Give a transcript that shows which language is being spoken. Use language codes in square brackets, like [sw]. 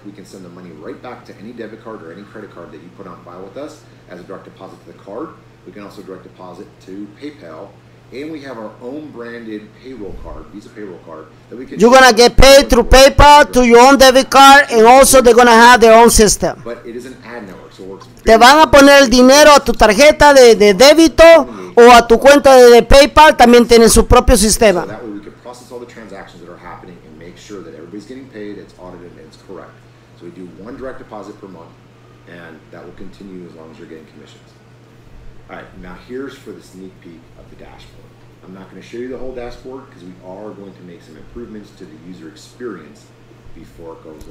[en] We can send the money right back to any debit card or any credit card that you put on file with us as a direct deposit to the card. We can also direct deposit to PayPal. And we have our own branded payroll card, Visa payroll card, that we can. You're going to get paid through PayPal, to your own debit card, and also they're going to have their own system. But it is an ad network, so it works. [es] Te van a poner el dinero a tu tarjeta de débito o a tu cuenta de PayPal, también tienen su propio sistema. [en] So that way we can process all the transactions that are happening and make sure that everybody's getting paid, it's audited, and it's correct. So we do one direct deposit per month, and that will continue as long as you're getting commissions. All right, now here's for the sneak peek of the dashboard. I'm not going to show you the whole dashboard because we are going to make some improvements to the user experience before it goes live.